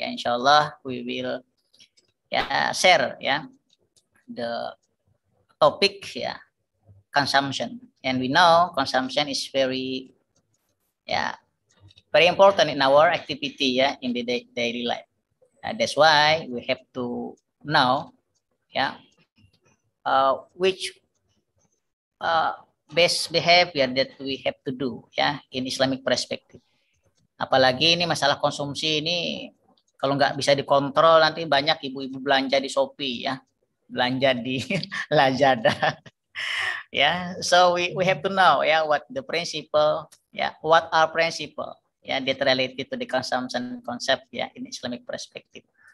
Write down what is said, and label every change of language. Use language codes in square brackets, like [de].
[en] Yeah, inshallah, we will yeah, share, yeah, the topic ya yeah, consumption, and we know consumption is very yeah very important in our activity ya yeah, in the daily life. That's why we have to know yeah which best behavior that we have to do ya yeah, in Islamic perspective. [id] Apalagi ini masalah konsumsi ini kalau nggak bisa dikontrol nanti banyak ibu-ibu belanja di Shopee ya yeah. Belanja di Lazada, ya. Yeah. [en] So we have to know, ya, yeah, what the principle, ya, yeah, what are principle, ya, yeah, that related to the consumption concept, ya, yeah, in Islamic perspective.